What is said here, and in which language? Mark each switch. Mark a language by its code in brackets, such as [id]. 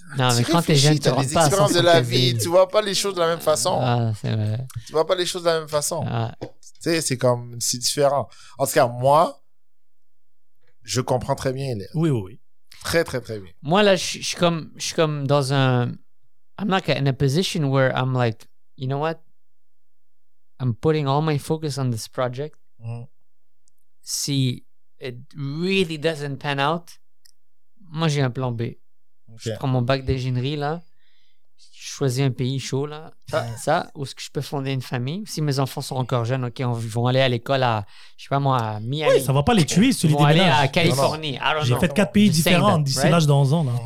[fr] Non, mais quand t'es jeune, t'as des expériences de la vie. Tu vois pas les choses de la même façon. Ah, c'est vrai. Tu vois pas les choses de la même façon. Ah. Tu sais, c'est comme si différent. En tout cas, moi, je comprends très bien. Oui. Très, très, très bien. Moi, là, je suis comme dans un. [en] I'm not in a position where I'm like, you know what? I'm putting all my focus on this project. Mm. [fr] Si [en] it really doesn't pan out, [fr] moi j'ai un plan B. Okay. Je prends mon bac d'ingénierie là, je choisis un pays chaud là, ça, où est-ce que je peux fonder une famille. Si mes enfants sont encore jeunes, ok, ils vont aller à l'école à, je sais pas moi, à Miami. Oui, ça va pas les tuer, celui ils vont aller à Californie. J'ai fait 4 pays différents d'ici l'âge de 11 ans. Là.